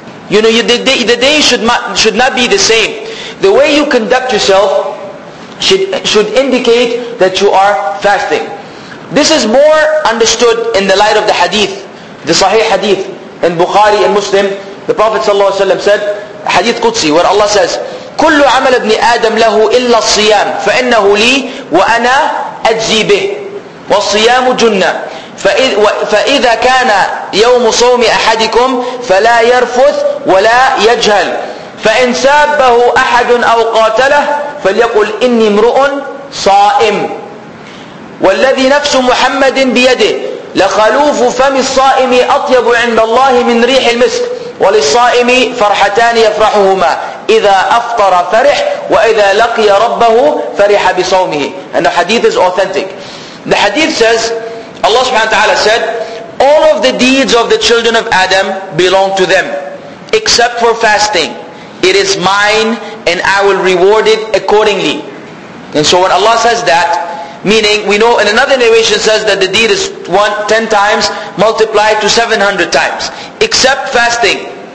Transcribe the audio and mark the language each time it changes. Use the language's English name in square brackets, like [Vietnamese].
[English] You know, the day should not be the same. The way you conduct yourself should indicate that you are fasting. This is more understood in the light of the hadith, the sahih hadith in Bukhari and Muslim. The Prophet ﷺ said, hadith Qudsi, where Allah says, [Arabic] كل عمل ابن آدم له إلا الصيام فإنه لي وأنا أجزي به. والصيام جنة, فإذا كان يوم صوم أحدكم فلا يرفث ولا يجهل, فإن سابه أحد أو قاتله فليقل إني امرؤ صائم. والذي نفس محمد بيده لخلوف فم الصائم أطيب عند الله من ريح المسك, وللصائم فرحتان يفرحهما, إذا أفطر فرح وإذا لقي ربه فرح بصومه. [English] And the hadith is authentic. The hadith says, Allah subhanahu wa ta'ala said, all of the deeds of the children of Adam belong to them, except for fasting. It is mine and I will reward it accordingly. And so when Allah says that, meaning we know, and another narration says that the deed is 10 times multiplied to 700 times, except fasting.